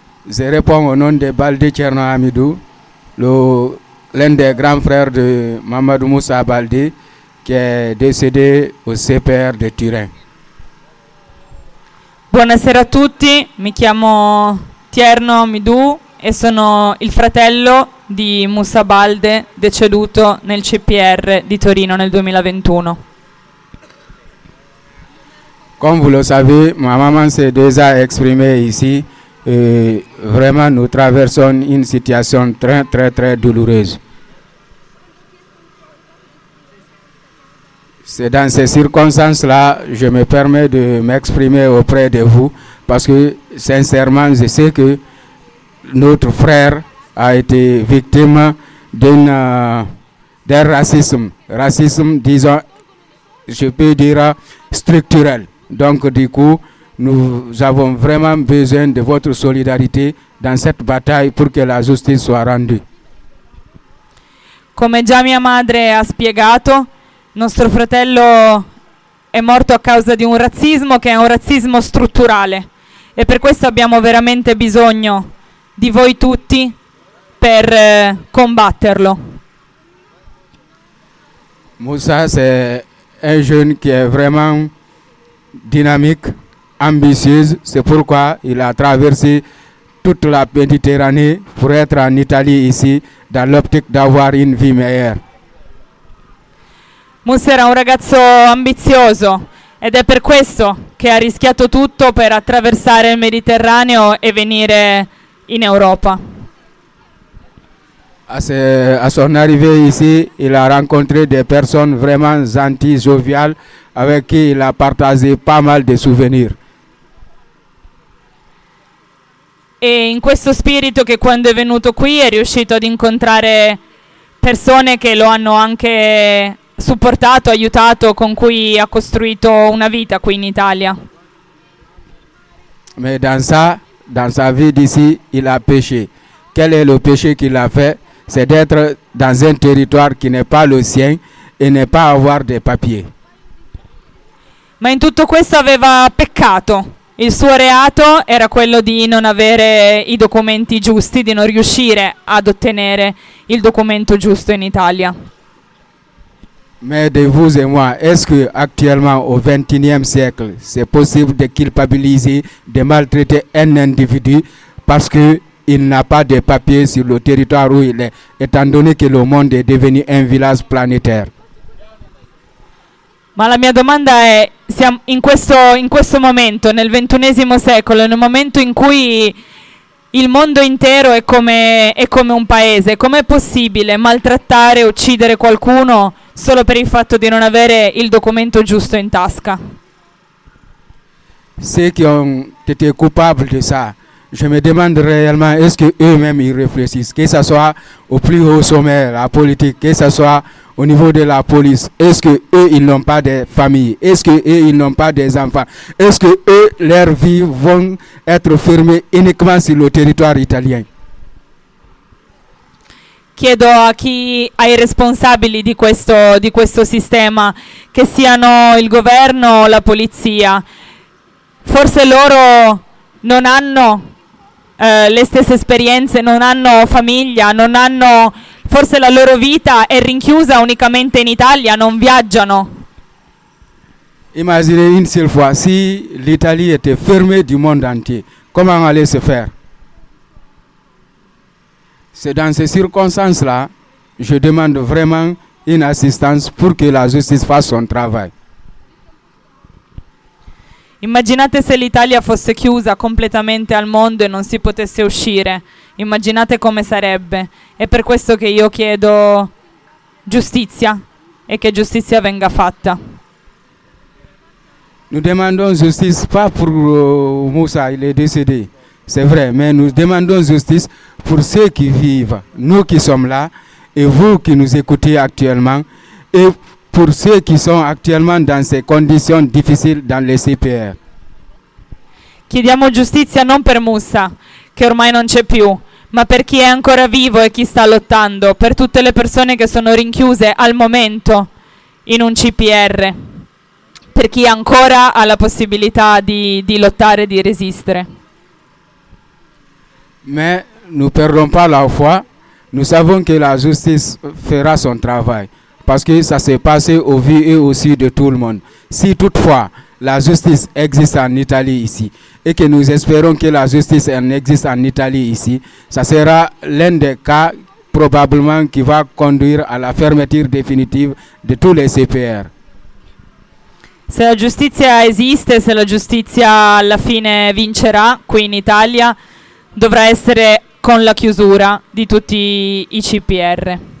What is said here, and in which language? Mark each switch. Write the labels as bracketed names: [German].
[French] Je réponds au nom de Baldé Tcherno Hamidou, l'un des grands frères de Mamadou Moussa Baldé, qui est décédé au CPR de Turin. [Italian] Buonasera a tutti, mi chiamo Tcherno Hamidou e sono il fratello di Moussa Baldé, deceduto nel CPR di Torino nel 2021. [French] Comme vous le savez, ma maman s'est déjà exprimée ici. Et vraiment, nous traversons une situation très, très, très douloureuse. C'est dans ces circonstances-là que je me permets de m'exprimer auprès de vous, parce que sincèrement, je sais que notre frère a été victime d'un racisme. Racisme, disons, je peux dire, structurel. Donc du coup, nous avons vraiment besoin de votre solidarité dans cette bataille pour que la justice soit rendue. [Italian] Come già mia madre ha spiegato, nostro fratello è morto a causa di un razzismo che è un razzismo strutturale e per questo abbiamo veramente bisogno di voi tutti per combatterlo. [French] Moussa, c'est un jeune qui est vraiment dynamique, ambitieuse, c'est pourquoi il a traversé toute la Méditerranée pour être en Italie ici dans l'optique d'avoir une vie meilleure. [Italian] Moussa era un ragazzo ambizioso ed è per questo che ha rischiato tutto per attraversare il Mediterraneo e venire in Europa. [French] À son arrivée ici, il a rencontré des personnes vraiment gentilles, joviales, avec qui il a partagé pas mal de souvenirs. [Italian] E in questo spirito che quando è venuto qui è riuscito ad incontrare persone che lo hanno anche supportato, aiutato, con cui ha costruito una vita qui in Italia. [French] Mais dans sa vie d'ici, il a péché. Quel est le péché qu'il a fait? C'est d'être dans un territoire qui n'est pas le sien et ne pas avoir des papiers. [Italian] Ma in tutto questo aveva peccato. Il suo reato era quello di non avere i documenti giusti, di non riuscire ad ottenere il documento giusto in Italia. [French] Mais de vous et moi, est-ce que actuellement au XXIe siècle, c'est possible de culpabiliser, de maltraiter un individu parce que il n'a pas de papier sur le territoire où il est, étant donné que le monde est devenu un village planétaire. [Italian] Ma la mia domanda è, siamo in questo momento, nel ventunesimo secolo, in un momento in cui il mondo intero è come un paese, com'è possibile maltrattare, uccidere qualcuno solo per il fatto di non avere il documento giusto in tasca? Se chi è colpevole di [French] ça, je me demande réellement, est-ce que eux-mêmes ils réfléchissent, che ça soit au plus haut sommet, la politique, che ça soit au niveau de la police, est-ce que eux ils n'ont pas des familles, est-ce que eux ils n'ont pas des enfants, est-ce que eux leur vie vont être fermée uniquement sur le territoire italien? [Italian] Chiedo a chi ai responsabili di questo sistema, che siano il governo o la polizia. Forse loro non hanno le stesse esperienze, non hanno famiglia, non hanno. Forse la loro vita è rinchiusa unicamente in Italia, non viaggiano. [French] Immagine une seule fois, si l'Italia était fermée du monde entier, comment allait se faire? C'est dans ces circonstances-là, je demande vraiment une assistance pour que la justice fasse son travail. [Italian] Immaginate se l'Italia fosse chiusa completamente al mondo e non si potesse uscire. Immaginate come sarebbe. È per questo che io chiedo giustizia e che giustizia venga fatta. [French] Nous demandons justice pas pour Moussa, il est décédé. C'est vrai, mais nous demandons justice pour ceux qui vivent, nous qui sommes là et vous qui nous écoutez actuellement et pour ceux qui sont actuellement dans ces conditions difficiles dans les CPR. [Italian] Chiediamo giustizia non per Moussa, che ormai non c'è più, ma per chi è ancora vivo e chi sta lottando, per tutte le persone che sono rinchiuse al momento in un CPR, per chi ancora ha la possibilità di lottare, di resistere. [French] Ma non perdons pas la foi, nous savons que la justice fera son travail, parce que ça s'est passé aux vies et aux yeux de tout le monde. Si toutefois la justice existe en Italie ici, et que nous espérons que la justice existe en Italie ici, ça sera l'un des cas probablement qui va conduire à la fermeture définitive de tous les CPR. [Italian] Se la giustizia esiste, se la giustizia alla fine vincerà qui in Italia, dovrà essere con la chiusura di tutti i CPR.